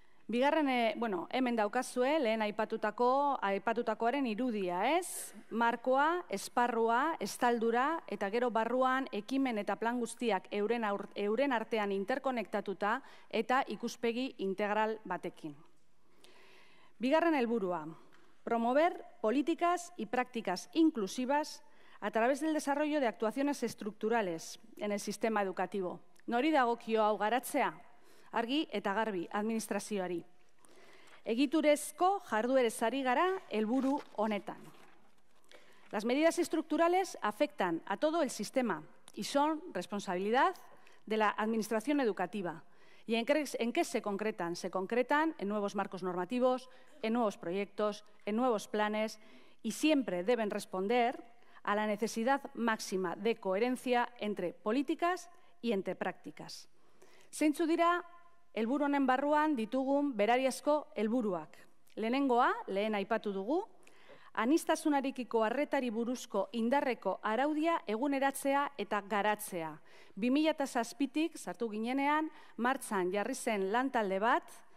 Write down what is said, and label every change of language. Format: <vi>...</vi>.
<eu>Bigarren, hemen daukazue lehen aipatutakoaren irudia, ez? Markoa, esparrua, estaldura eta gero barruan ekimen eta plan guztiak euren artean interkonektatuta eta ikuspegi integral batekin. Bigarren helburua,</eu> <es>promover políticas y prácticas inclusivas a través del desarrollo de actuaciones estructurales en el sistema educativo.</es> <eu>Nori dagokio hau garatzea? Argi eta garbi, administrazioari. Egiturezko jarduerez ari gara helburu honetan.</eu> <es>Las medidas estructurales afectan a todo el sistema y son responsabilidad de la administración educativa. ¿Y en qué se concretan? Se concretan en nuevos marcos normativos, en nuevos proyectos, en nuevos planes y siempre deben responder a la necesidad máxima de coherencia entre políticas y entre prácticas.</es> <eu>Zeintzu dira helburu honen barruan ditugun berariazko helburuak. Lehenengoa, lehen aipatu dugu, anistasunarekiko arretari buruzko indarreko araudia eguneratzea eta garatzea. 2007-tik sartu ginenean, martxan jarri zen lantalde bat,</eu>